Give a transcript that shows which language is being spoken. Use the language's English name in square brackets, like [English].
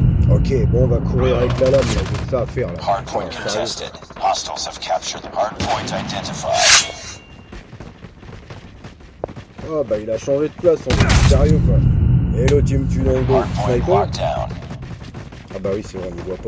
[French] Ok, bon, on va courir avec la lame, là. À faire, là. [English] Hardpoint [French] enfin, [English] contested. Hostiles have captured hardpoint identified. [French] Oh bah il a changé de place, on est sérieux quoi. Et l'autre il me tue dans le dos. [English] Hardpoint locked down. [French] Ah bah oui c'est vrai, on ne voit pas.